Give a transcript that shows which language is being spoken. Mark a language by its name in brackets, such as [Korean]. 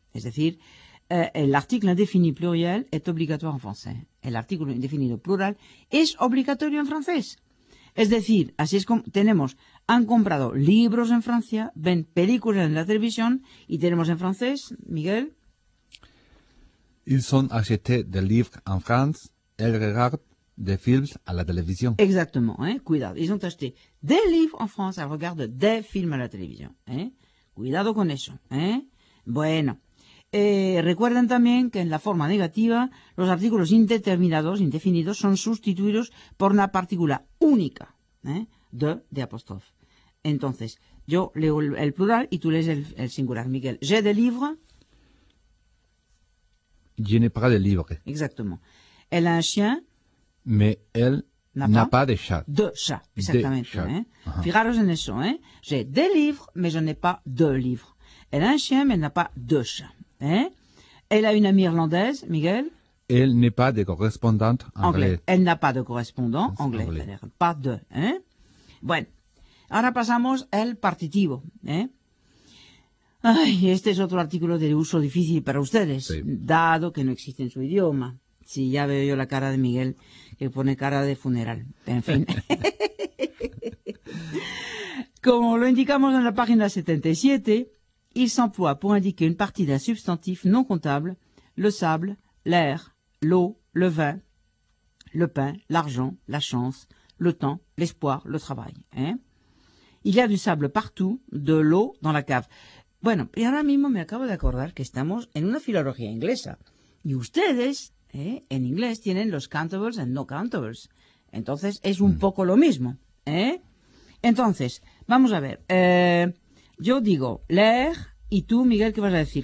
[Spanish] Es decir, el artículo indefinido plural es obligatorio en francés. El artículo indefinido plural es obligatorio en francés. Es decir, así es como tenemos, han comprado libros en Francia, ven películas en la televisión y tenemos en francés, Miguel. [French] Ils ont acheté des livres en France, ils regardent de films à la télévision. Exactement, hein? [Spanish] Cuidado. [French] Ils ont acheté des livres en France, ils regardent des films à la télévision. [Spanish] Hein? Cuidado con eso. Hein? Bueno. Recuerden también que en la forma negativa, los artículos indeterminados, indefinidos, son sustituidos por una partícula única, hein? De apóstrofe. Entonces, yo leo el plural y tú lees el singular, Miguel. [French] J'ai des livres. Je n'ai pas de livres. Exactement. Elle a un chien. Mais elle n'a pas de chat. De chat, [Spanish] exactamente. Chat. Hein? Uh-huh. Fijaros en eso. Hein? [French] J'ai des livres, mais je n'ai pas de livres. Elle a un chien, mais elle n'a pas de chat. Hein? Elle a une amie irlandaise, Miguel. Elle n'est pas de correspondante anglais. Elle n'a pas de correspondant anglais. Anglais. Pas de. Hein? [Spanish] Bueno, ahora pasamos al partitivo. Hein? Ay, este es otro artículo de uso difícil para ustedes, sí. Dado que no existe en su idioma. Sí, ya veo yo la cara de Miguel, que pone cara de funeral. En fin. Como lo indicamos en la página 77, [French] il s'emploie pour indiquer une partie d'un substantif non comptable, le sable, l'air, l'eau, le vin, le pain, l'argent, la chance, le temps, l'espoir, le travail. [Spanish] Hein? [French] Il y a du sable partout, de l'eau dans la cave. [Spanish] Bueno, y ahora mismo me acabo de acordar que estamos en una filología inglesa. Y ustedes... ¿Eh? En inglés tienen los [English] countables and no countables. [Spanish] Entonces, es un poco lo mismo. ¿Eh? Entonces, vamos a ver. Yo digo l'air, y tú, Miguel, ¿qué vas a decir?